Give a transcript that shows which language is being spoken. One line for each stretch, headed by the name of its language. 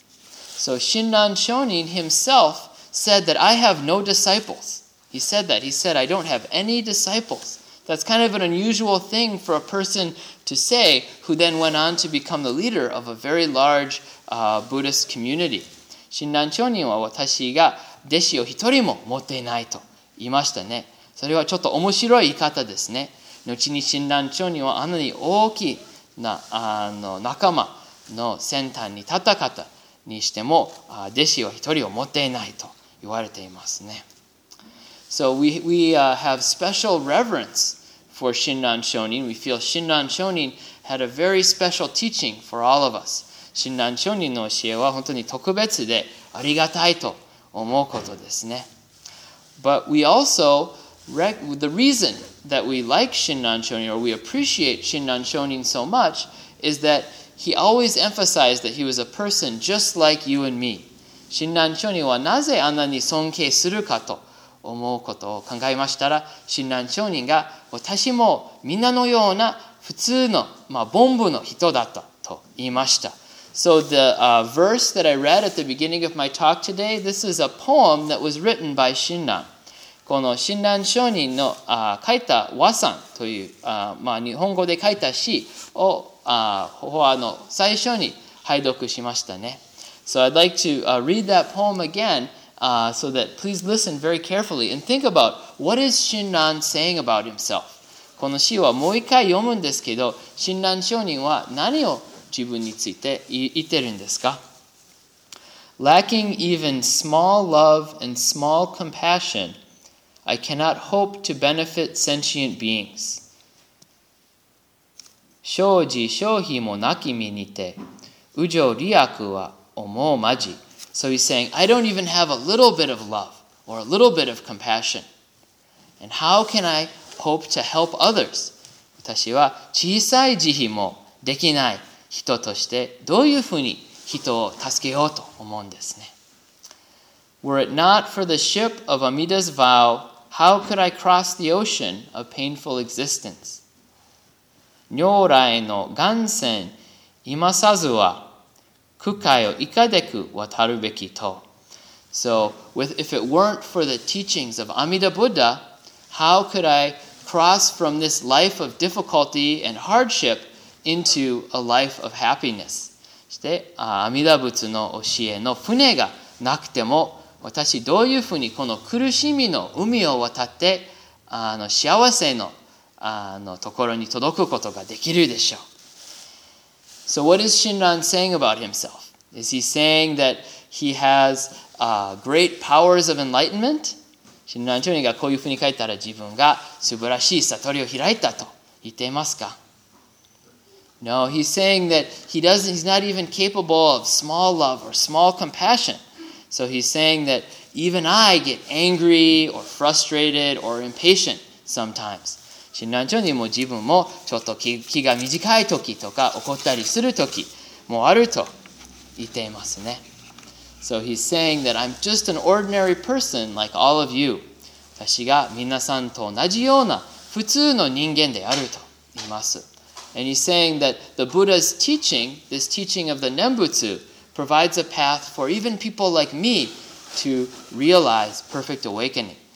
English: So, 親鸞聖人 himself said that I have no disciples. He said that. He said, I don't have any disciples. That's kind of an unusual thing for a person to say who then went on to become the leader of a very large Buddhist community.
Japanese: 親鸞聖人は私が弟子を一人も持っていないと言いましたね。それはちょっと面白い言い方ですね。後に親鸞聖人はあのに大きな仲間の先端に立った方にしても弟子は一人を持っていないと言われていますね。
English: So we have special reverence for 親鸞聖人. We feel 親鸞聖人 had a very special teaching for all of us.
Japanese: 親鸞聖人の教えは本当に特別でありがたいと思うことですね。
English: But we also the reason that we like Shinran Shonin or we appreciate Shinran Shonin so much is that he always emphasized that he was a person just like you and me.
Japanese: 親鸞聖人はなぜあんなに尊敬するかと思うことを考えましたら、親鸞聖人が私もみんなのような普通の、凡夫の人だったと言いました。
English: So the verse that I read at the beginning of my talk today, this is a poem that was written by 親鸞。
Japanese: この親鸞聖人の書いた和讃という日本語で書いた詩を最初に拝読しましたね。
English: So I'd like to read that poem again, so that please listen very carefully and think about what is 親鸞 saying about himself.
Japanese: この詩はもう一回読むんですけど、親鸞聖人は何を自分について言ってるんですか?
English: Lacking even small love and small compassion, I cannot hope to benefit sentient beings.
Japanese: 生じ生悲もなき身にて、有情利悪は思うまじ。
English: So he's saying, I don't even have a little bit of love or a little bit of compassion. And how can I hope to help others?
Japanese: 私は小さい慈悲もできない。人としてどういうふうに人を助けようと思うんですね。
English: Were it not for the ship of Amida's vow, how could I cross the ocean of painful existence?
Japanese: 如来の願船今さずは苦海をいかでく渡るべきと。
English: So, if it weren't for the teachings of Amida Buddha, how could I cross from this life of difficulty and hardship? Into a life of happiness.
Japanese: そして、阿弥陀仏の教えの船がなくても、私どういうふうにこの苦しみの海を渡って、幸せの、ところに届くことができるでしょう。
English: So what is 親鸞 saying about himself? Is he saying that he has great powers of enlightenment?
Japanese: 親鸞聖人がこういうふうに書いたら自分が素晴らしい悟りを開いたと言っていますか?
English: No, he's saying that he's not even capable of small love or small compassion. So he's saying that even I get angry or frustrated or impatient sometimes.
Japanese: 親鸞聖人も自分もちょっと気が短い時とか怒ったりする時もあると言っていますね。
English: So he's saying that I'm just an ordinary person like all of you.
Japanese: 私が皆さんと同じような普通の人間であると言います。
English: And he's saying that the Buddha's teaching, this teaching of the Nembutsu, provides a path for even people like me to realize perfect awakening.